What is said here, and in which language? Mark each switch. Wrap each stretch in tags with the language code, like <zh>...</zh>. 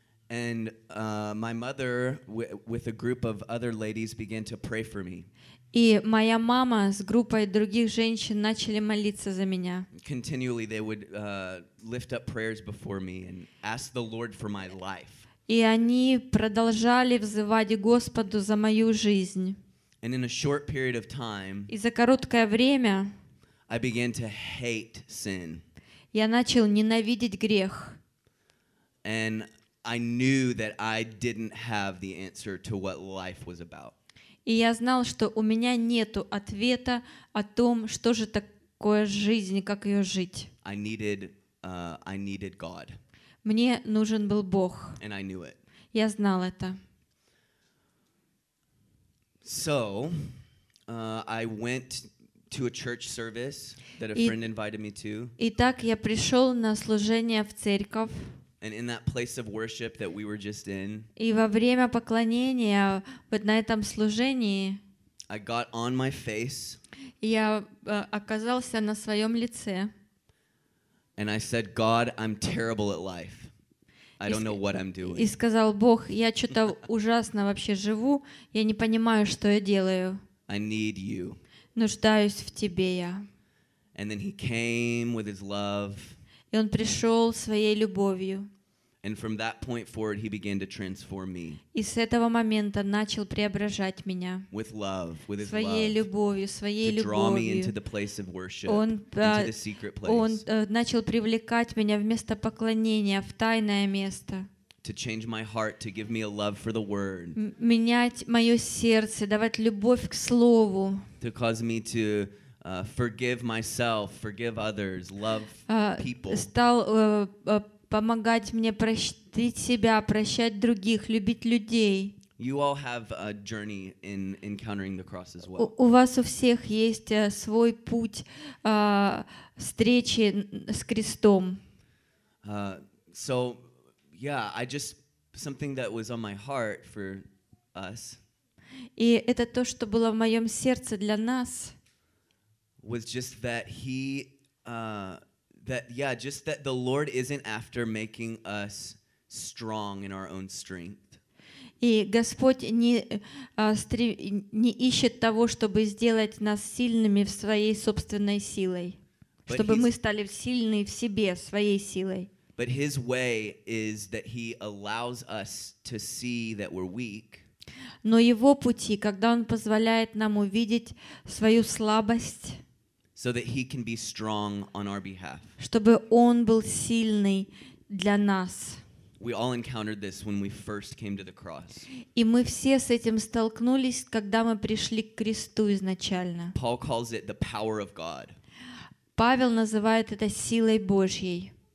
<en>And my mother with a group of other ladies began to pray for me.</en> <ru>И моя мама с группой других женщин начали молиться за меня.</ru> <en>Continually they would lift up prayers before me and ask the Lord for my life.</en> <ru>И они продолжали взывать Господу за мою жизнь.</ru> <en>And in a short period of time,</en> <ru>и за короткое время,</ru> <en>I began to hate sin.</en> <ru>Я начал ненавидеть грех.</ru> <en>And I knew that I didn't have the answer to what life was about.</en> <ru>И я знал, что у меня нету ответа о том, что же такое жизнь, как ее жить.</ru> <en>I needed God.</en> <ru>Мне нужен был Бог.</ru> <en>And I knew it.</en> <ru>Я знал это.</ru> <en>So, I went to a church service that a friend invited me to.</en> <ru>Итак, я пришел на служение в церковь.</ru> <en>And in that place of worship that we were just in,</en> <ru>и во время поклонения вот на этом служении,</ru> <en>I got on my face,</en> <ru>я оказался на своем лице,</ru> <en>and I said, God, I'm terrible at life. I don't know what I'm doing.</en> <ru>И сказал, Бог, я что-то ужасно вообще живу, я не понимаю, что я делаю.</ru> <en>I need you.</en> <ru>Нуждаюсь в тебе я.</ru> <en>And then he came with his love.</en> <ru>И он пришел своей любовью.</ru> <en>And from that point forward, he began to transform me.</en> <ru>И с этого момента начал преображать меня.</ru> <en>With love, with his</en> <ru>своей</ru> <en>love,</en> <ru>любовью, своей</ru> <en>to</en> <ru>любовью.</ru> <en>Draw me into the place of worship,</en> <ru>он</ru> <en>into the secret place.</en> <ru>Он начал привлекать меня в место поклонения, в тайное место.</ru> <en>To change my heart, to give me a love for the word.</en> <ru>Менять мое сердце, давать любовь к слову.</ru> <en>To cause me to forgive myself, forgive others, love people.</en> <ru>Стал помогать мне простить себя, прощать других, любить людей.</ru> <en>You all have a journey in encountering the cross as well.</en> <ru>У вас у всех есть свой путь встречи с крестом.</ru> <en>So, yeah, I just something that was on my heart for us.</en> <ru>И это то, что было в моем сердце для нас.</ru> <en>Was just that he that yeah just that the Lord isn't after making us strong in our own strength.</en> <ru>И Господь не ищет того, чтобы сделать нас сильными в своей собственной силой, чтобы мы стали сильны в себе своей силой.</ru> <en>But his way is that he allows us to see that we're weak.</en> <ru>Но его пути, когда он позволяет нам увидеть свою слабость.</ru> <en>So that he can be strong on our behalf.</en> <ru>Чтобы он был сильный для нас.</ru> <en>We all encountered this when we first came to the cross.</en> <ru>И мы все с этим столкнулись, когда мы пришли к кресту изначально.</ru> <en>Paul calls it the power of God.</en> <ru>Павел называет это силой Божьей.</ru>